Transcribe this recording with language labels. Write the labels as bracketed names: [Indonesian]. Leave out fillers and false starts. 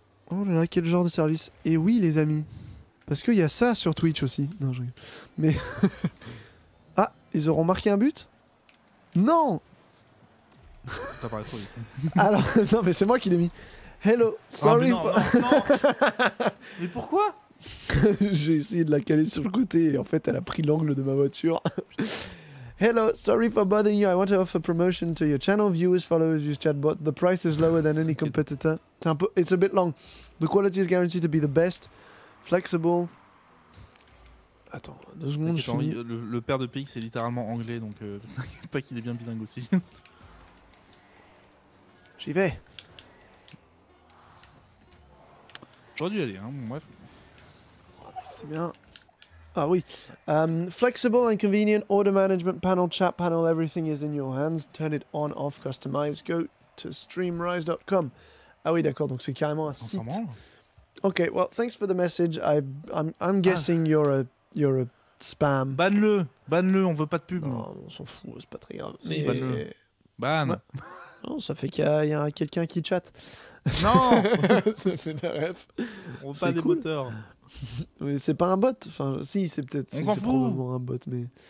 [French] Oh là là, quel genre de service? Et oui, les amis. Parce qu'il y a ça sur Twitch aussi. Non, je rigole. Mais... Ils auront marqué un but? Non! T'as parlé trop vite. Alors, non, mais c'est moi qui l'ai mis. [English] Hello, sorry. [French] Ah, non. Mais pourquoi? J'ai essayé de la caler sur le côté et en fait, elle a pris l'angle de ma voiture. [English] Hello, sorry for bothering you. I want to offer promotion to your channel. Viewers, followers, use chatbot. The price is lower than any competitor. It's a bit long. The quality is guaranteed to be the best. Flexible. [French] Attends, deux secondes, je finis. Le père de Pix est littéralement anglais, donc pas qu'il est bien bilingue aussi. J'y vais. J'aurais dû y aller, hein, bref. C'est bien. Ah oui. [English] Flexible and convenient order management panel, chat panel, everything is in your hands. Turn it on, off, customize, go to streamrise.com. [French] Ah oui, d'accord, donc c'est carrément un site. [English] Ok, well, thanks for the message. I'm guessing you're a spam. [French] Banne-le, on veut pas de pub. Non, on s'en fout, c'est pas très grave. Si, mais... banne-le. Banne. Ouais. Non, ça fait qu'il y a quelqu'un qui chatte. Non. Ça fait des refs. On veut pas des moteurs. Mais c'est pas un bot. Enfin, si, c'est peut-être. On si, s'en c'est fout. Probablement un bot, mais.